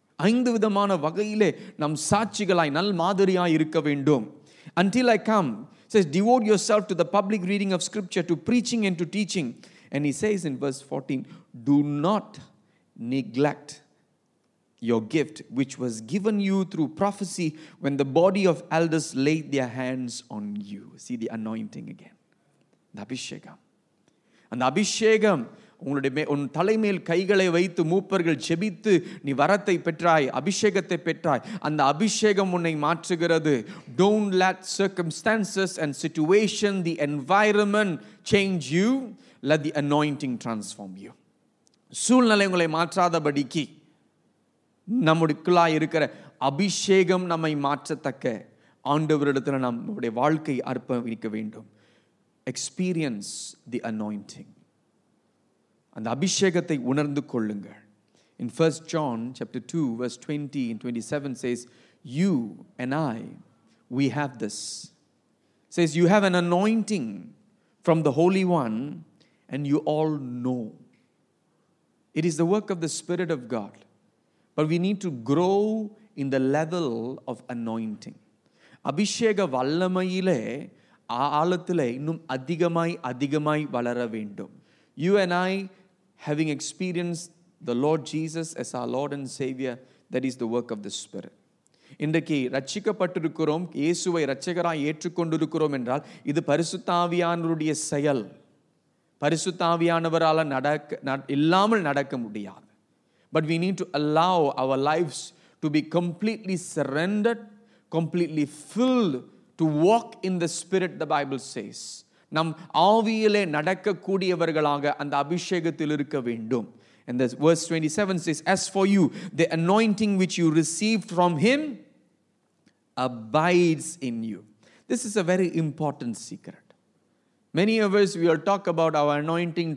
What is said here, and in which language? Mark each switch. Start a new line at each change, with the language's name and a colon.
Tamil: ஐந்து விதமான வகையிலே நம் சாட்சிகளாய் நல் மாதிரியாய் இருக்க வேண்டும்.
English: Until I come, says, devote yourself to the public reading of scripture, to preaching and to teaching. And he says in verse 14, do not neglect your gift which was given you through prophecy when the body of elders laid their hands on you. See the anointing again. The abhishekam. And the abhishekam.
Tamil: உங்களுடைய உன் தலைமையில் கைகளை வைத்து மூப்பர்கள் செபித்து நீ வரத்தை பெற்றாய், அபிஷேகத்தை பெற்றாய், அந்த அபிஷேகம் உன்னை மாற்றுகிறது.
English: Don't let circumstances and situation, the environment change you. Let the anointing transform you.
Tamil: சூழ்நிலை உங்களை மாற்றாதபடிக்கு நம்முடைய இருக்கிற அபிஷேகம் நம்மை மாற்றத்தக்க ஆண்டவரிடத்தில் நம்முடைய வாழ்க்கை அர்ப்பணிக்க வேண்டும்.
English: Experience the anointing.
Tamil: அந்த அபிஷேகத்தை உணர்ந்து கொள்ளுங்கள்.
English: In 1 John chapter 2 verse 20 and 27 says, you and I, we have this. Says, you have an anointing from the Holy One and you all know. It is the work of the Spirit of God. But we need to grow in the level of anointing.
Tamil: அபிஷேக வல்லமையிலே ஆழத்திலே இன்னும் அதிகமாய் அதிகமாய் வளர வேண்டும்.
English: You and I, having experienced the Lord Jesus as our Lord and Savior, that is the work of the Spirit.
Tamil: இன்றைக்கு ரட்சிக்கப்பட்டிருக்கிறோம், இயேசுவை ரட்சகராய் ஏற்றுக்கொண்டிருக்கிறோம் என்றால் இது பரிசுத்த ஆவியானவருடைய செயல். பரிசுத்த ஆவியானவரால் இல்லாமல் நடக்க முடியாது.
English: But we need to allow our lives to be completely surrendered, completely filled, to walk in the Spirit, the Bible says.
Tamil: நம் ஆவியிலே நடக்கக்கூடியவர்களாக அந்த அபிஷேகத்தில் இருக்க வேண்டும்.
English: And this verse 27 says, as for you, the anointing which you received from him abides in you. This is a very important secret. Many of us, we will talk about our anointing.